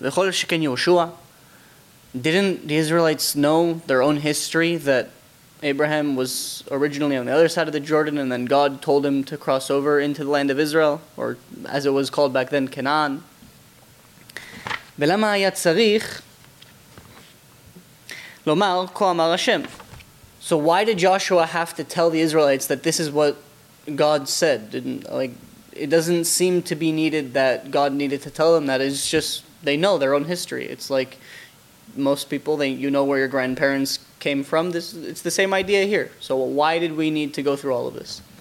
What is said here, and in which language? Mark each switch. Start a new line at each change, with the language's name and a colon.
English: Didn't the Israelites know their own history, that Abraham was originally on the other side of the Jordan and then God told him to cross over into the land of Israel, or as it was called back then, Canaan?
Hebrew: ולמה היה צריך לומר כה אמר השם?
English: So why did Joshua have to tell the Israelites that this is what God said? It doesn't seem to be needed that God needed to tell them that. It's just, they know their own history. It's like most people, you know where your grandparents came from. It's the same idea here. So why did we need to go through all of this?